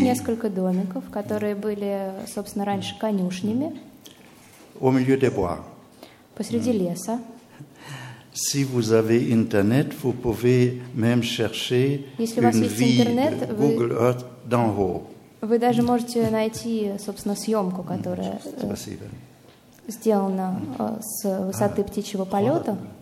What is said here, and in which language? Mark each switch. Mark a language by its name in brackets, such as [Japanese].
[Russian] У нас несколько домиков, которые были, собственно, раньше конюшнями. [French] Au milieu des bois. [Russian] Посреди леса. [French] Si vous avez internet, vous pouvez même chercher une ville de Google Earth d'en haut. [Russian] Вы даже можете найти, собственно, съемку, которая сделана с высоты птичьего полета.